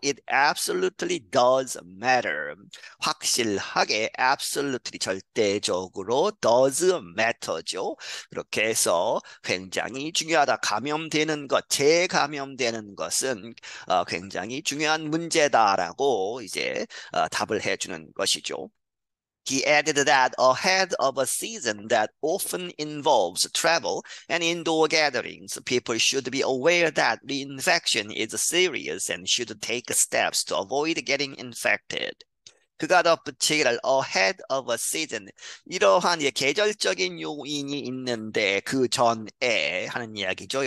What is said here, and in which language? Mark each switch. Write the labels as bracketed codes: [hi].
[en] It absolutely does matter. [ko] 확실하게 [en] absolutely [ko] 절대적으로 [en] does matter죠. [ko] 그렇게 해서 굉장히 중요하다. 감염되는 것, 재감염 되는 것은 굉장히 중요한 문제다라고 이제 답을 해주는 것이죠. [en] He added that ahead of a season that often involves travel and indoor gatherings, people should be aware that reinfection is serious and should take steps to avoid getting infected. [ko] 그가 덧붙이기를 [en] ahead of a season. [ko] 이러한 이제 계절적인 요인이 있는데 그 전에 하는 이야기죠.